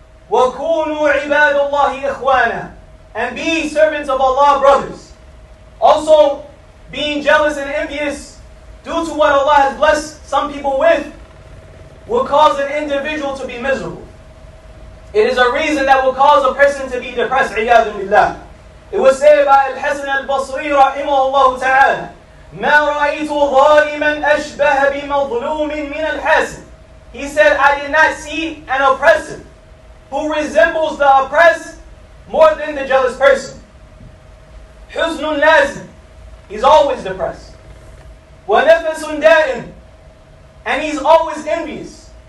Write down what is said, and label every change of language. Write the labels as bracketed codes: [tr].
[ar] وَكُونُوا عِبَادُ اللَّهِ إِخْوَانًا. [en] And be servants of Allah, brothers. Also, being jealous and envious due to what Allah has blessed some people with will cause an individual to be miserable. It is a reason that will cause a person to be depressed, [ar] عِيَادُ بِاللَّهِ. [en] It was said by Al-Hasan Al-Basri, [ar] رَحِمَهُ اللَّهُ تَعَالَى, مَا رَأَيْتُ ظَالِمًا أَشْبَهَ بِمَظْلُومٍ مِنَ الْحَاسِنِ. [en] He said, I did not see an oppressor who resembles the oppressed more than the jealous person. [ar] Huznun lazim, [en] he's always depressed. [ar] Wa nafsun da'im, [en] and he's always envious.